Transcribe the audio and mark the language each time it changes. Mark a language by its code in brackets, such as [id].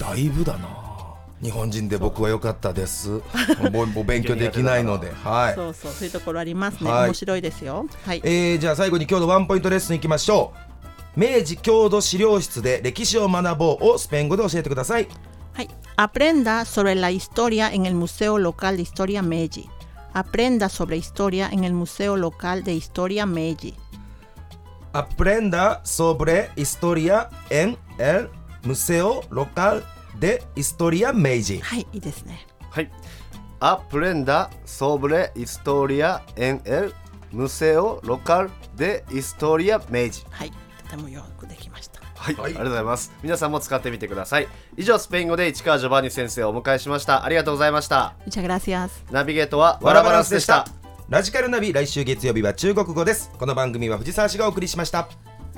[ja] だいぶだな。日本人で僕は良かったです。もう勉強できないので。はい、そうそう、そういうところありますね。面白いですよ。はい、じゃあ最後に今日のワンポイントレッスンいきましょう。明治郷土資料室で歴史を学ぼうをスペイン語で教えてください。 [es] Aprenda sobre la historia en el Museo Local de Historia Meiji. Aprenda sobre historia en el Museo Local de Historia Meiji. Aprenda sobre historia en el Museo Local de Historia Meiji. [ja] はい、いいですね。はい。 [es] Aprenda sobre historia en el Museo Local de Historia Meiji. [ja] はい、とてもよくできました。はい、はい、ありがとうございます。皆さんも使ってみてください。以上、スペイン語で市川ジョバニ先生をお迎えしました。ありがとうございました。 [es] Muchas gracias。 [ja] ナビゲートはワラバランスでした。ラジカルナビ、来週月曜日は中国語です。この番組は藤沢氏がお送りしました。